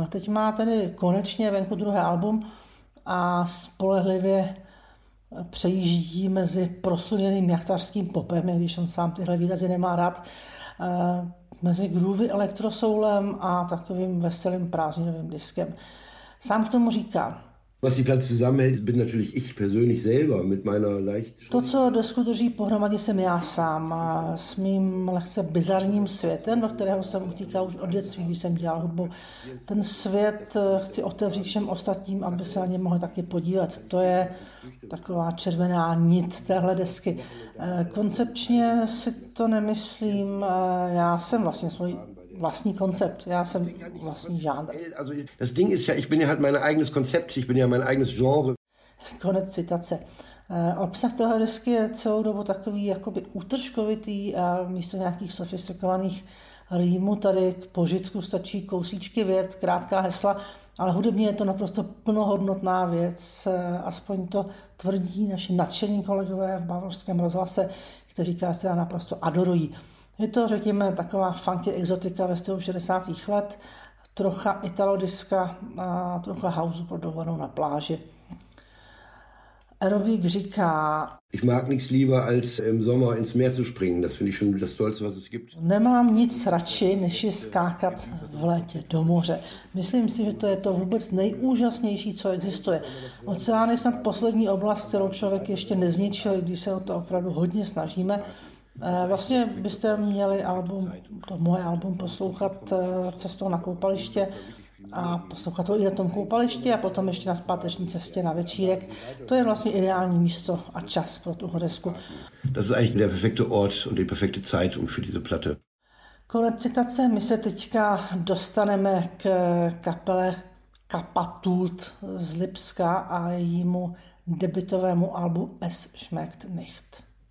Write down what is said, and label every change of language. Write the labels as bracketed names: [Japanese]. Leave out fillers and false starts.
[Czech] A teď má tedy konečně venku druhé album a spolehlivě přejíždí mezi prosluněným jachtařským popem, i když on sám tyhle výrazy nemá rád, mezi groovy elektrosoulem a takovým veselým prázdninovým diskem. Sám k tomu říká. [German] Was sie ganz zusammenhält, bin natürlich ich persönlich selber mit meiner leicht. [Czech] To, co desku drží pohromadě, jsem já sám s mým lehce bizarním světem, do kterého jsem utíkal už od dětství, když jsem dělal hudbu. Ten svět chci otevřít všem ostatním, aby se na ně mohli taky podílet. To je taková červená nit téhle desky. Koncepčně si to nemyslím, já jsem vlastně svůj vlastní koncept. Já jsem vlastní žánr. [German] Das Ding ist ja, ich bin ja halt mein eigenes Konzept, ich bin ja mein eigenes Genre. [Czech] Konec citace. Obsah toho desky je celou dobu takový jakoby útržkovitý a místo nějakých sofistikovaných rýmů tady k požitku stačí kousíčky vět, krátká hesla, ale hudebně je to naprosto plnohodnotná věc, aspoň to tvrdí naši nadšení kolegové v Bavorském rozhlase, kteří se naprosto adorují. Je to, řekněme, taková funky exotika ve stylu 60. let, trocha italodiska a trocha house pro dovolenou na pláži. Aerobic říká: [German] Ich mag nichts lieber als im Sommer ins Meer zu springen, das finde ich schon das tollste, was es gibt. [Czech] Nemám nic radši, než je skákat v létě do moře. Myslím si, že to je to vůbec nejúžasnější, co existuje. Oceán je snad poslední oblast, kterou člověk ještě nezničil, když se o to opravdu hodně snažíme. Vlastně byste měli album, to moje album, poslouchat cestou na koupaliště a poslouchat to i na tom koupališti a potom ještě na zpáteční cestě na večírek. To je vlastně ideální místo a čas pro tu desku. [German] Das ist eigentlich der perfekte Ort und die perfekte Zeit für diese Platte. [Czech] Konec citace, my se teďka dostaneme k kapele Kapatult z Lipska a jejímu debutovému albu Es schmeckt nicht.